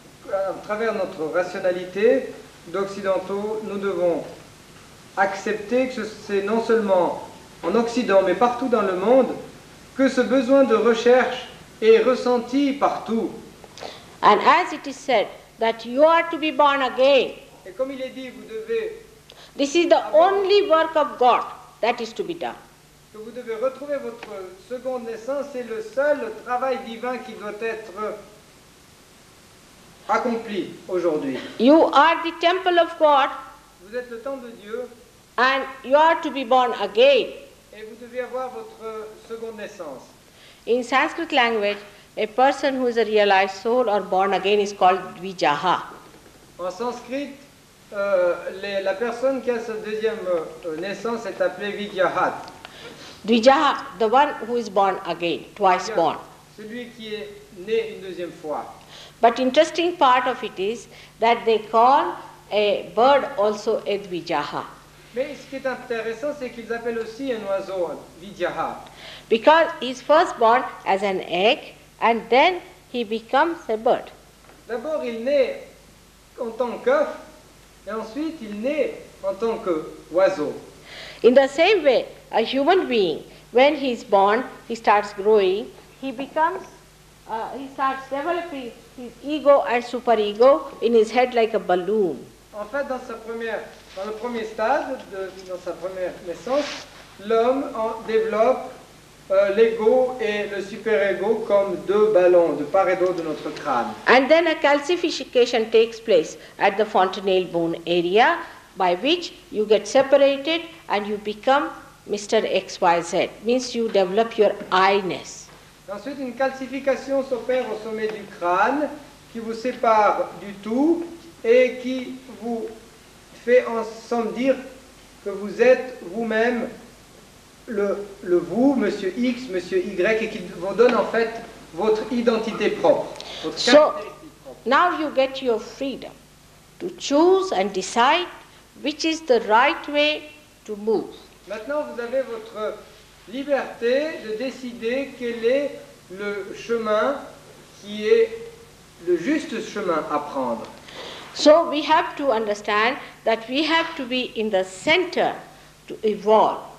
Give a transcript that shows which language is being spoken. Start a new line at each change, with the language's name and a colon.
French: À travers notre rationalité d'occidentaux, nous devons accepter que c'est non seulement en Occident, mais partout dans le monde, que ce besoin de recherche est ressenti partout.
English: And as it is said, that you are to be born again.
French: Et comme il est dit, vous devez.
English: This is the only work of God that is to be done.
French: Que vous devez retrouver votre seconde naissance, c'est le seul travail divin qui doit être accompli aujourd'hui.
English: You are the temple of God.
French: Vous êtes le temple de Dieu.
English: And you are to be born again.
French: Et vous devez avoir votre seconde naissance.
English: In Sanskrit language, a person who is a realized soul or born again is called Vijaha.
French: En sanskrit, la personne qui a sa deuxième naissance est appelée Vijahat.
English: Vijaha, the one who is born again, twice born.
French: Celui qui est né une deuxième fois.
English: But interesting part of it is that they call a bird also a Vijaha.
French: Mais ce qui est intéressant, c'est qu'ils appellent aussi un oiseau Vijaha.
English: Because he is first born as an egg, and then he becomes a bird.
French: D'abord, il naît en tant qu'œuf, et ensuite il naît en tant qu'oiseau.
English: In the same way, a human being, when he is born, he starts growing, he becomes, he starts developing his ego and superego in his head like a balloon.
French: En fait, dans sa première, dans le premier stade, de, dans sa première naissance, l'homme en développe l'ego et le superego comme deux ballons de part et d'autre de notre crâne.
English: And then a calcification takes place at the fontanel bone area, by which you get separated and you become Mr. XYZ, means you develop your I-ness.
French: Ensuite, une calcification s'opère au sommet du crâne qui vous sépare du tout et qui vous fait ensemble dire que vous êtes vous-même le vous, Monsieur X, Monsieur Y, et qui vous donne en fait votre identité propre, votre caractéristique propre.
English: Now you get your freedom to choose and decide which is the right way to move.
French: Maintenant, vous avez votre liberté de décider quel est le chemin qui est le juste chemin à prendre.
English: So we have to understand that we have to be in the center to evolve.